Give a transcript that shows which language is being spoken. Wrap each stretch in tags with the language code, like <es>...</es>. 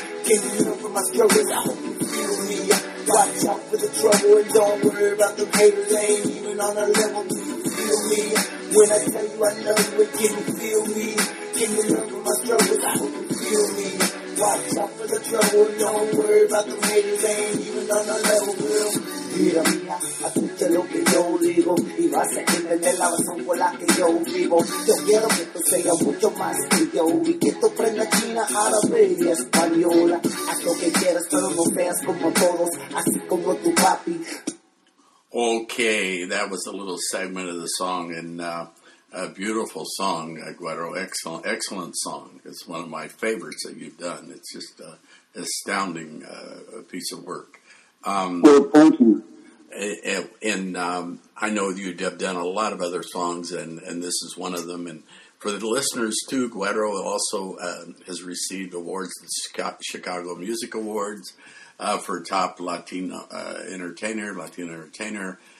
<en>Can you hear from my struggles? I hope you feel me. Watch out for the trouble and don't worry about the haters. They ain't even on a level. Do you feel me when I tell you I love you? And can you feel me? Can you hear from my struggles? I hope you feel me. Watch out for the trouble, don't worry about the haters, they ain't even on a level, girl.</en> <es>Mira, mira, escucha lo que yo digo y vas a entender la razón por la que yo vivo. Yo quiero que tú seas mucho más que yo y que tú prendas china, árabe y española. Haz lo que quieras, pero no seas como todos, así como tu papi.</es> <en>Okay, that was a little segment of the song, and a beautiful song, Aguero. Excellent, excellent song. It's one of my favorites that you've done. It's just an astounding piece of work. Well, thank you. And I know you have done a lot of other songs, and this is one of them. And for the listeners, too, Aguero also has received awards, the Chicago Music Awards for Top Latino Entertainer, Latino Entertainer.</en>